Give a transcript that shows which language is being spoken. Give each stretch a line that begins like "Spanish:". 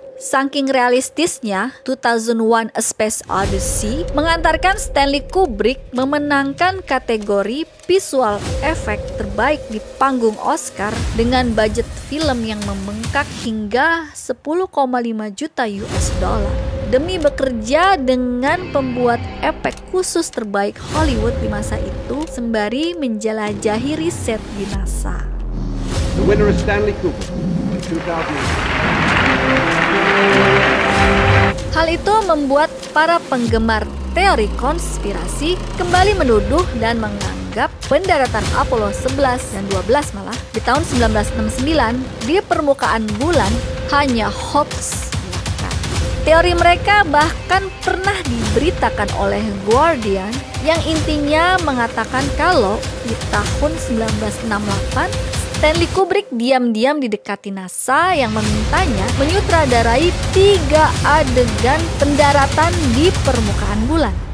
Indonesian: Saking realistisnya, 2001 A Space Odyssey mengantarkan Stanley Kubrick memenangkan kategori visual effect terbaik di panggung Oscar dengan budget film yang membengkak hingga 10,5 juta US dollar. Demi bekerja dengan pembuat efek khusus terbaik Hollywood di masa itu sembari menjelajahi riset di NASA.
English: The winner is Stanley Kubrick, 2001.
Indonesian: Hal itu membuat para penggemar teori konspirasi kembali menuduh dan menganggap pendaratan Apollo 11 dan 12 malah di tahun 1969 di permukaan bulan hanya hoax. Teori mereka bahkan pernah diberitakan oleh Guardian yang intinya mengatakan kalau di tahun 1968 Stanley Kubrick diam-diam didekati NASA yang memintanya menyutradarai 3 adegan pendaratan di permukaan bulan.